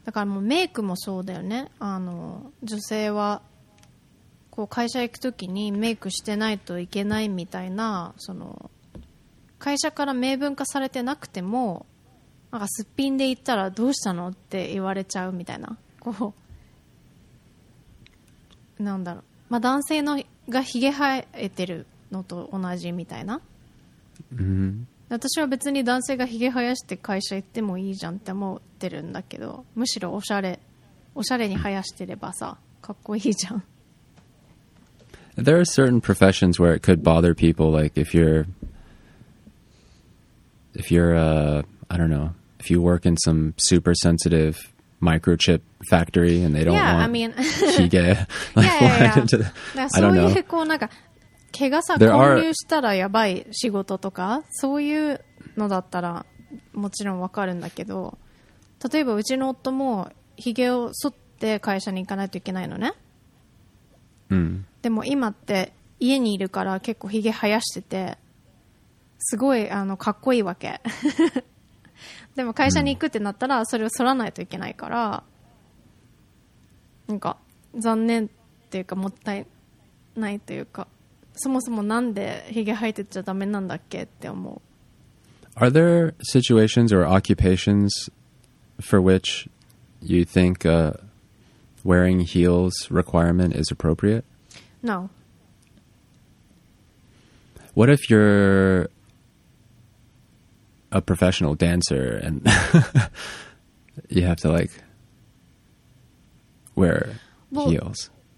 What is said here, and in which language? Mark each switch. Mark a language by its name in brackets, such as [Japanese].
[Japanese] だからもうメイクもそうだよね。あの女性はこう会社行くときにメイクしてないといけないみたいな、その会社から明文化されてなくてもなんかすっぴんで行ったらどうしたのって言われちゃうみたいな、こうなんだろう、まあ、男性のがひげ生えてるのと同じみたいな、うん、私は別に男性がひげ生やして会社行ってもいいじゃんって思ってるんだけど、むしろおしゃれに生やしてればさかっこいいじゃん。 [English] There are certain professions where it could bother people, like if you work in some super sensitive microchip factory and they don't yeah, want I mean, [Japanese] hige like, yeah, yeah, yeah. [English] I don't know. [Japanese] そういうこうなんか怪我さ混入したらやばい仕事とかそういうのだったらもちろんわかるんだけど、例えばうちの夫もひげを剃って会社に行かないといけないのね、うん、でも今って家にいるから結構ひげ生やしててすごいあのかっこいいわけでも会社に行くってなったらそれを剃らないといけないから、なんか残念っていうかもったいないというか、そもそもなんでヒゲ生えてちゃダメなんだっけって思う。 [English] Are there situations or occupations for which you think a wearing heels requirement is appropriate? No. What if you're a professional dancer and you have to like wear heels?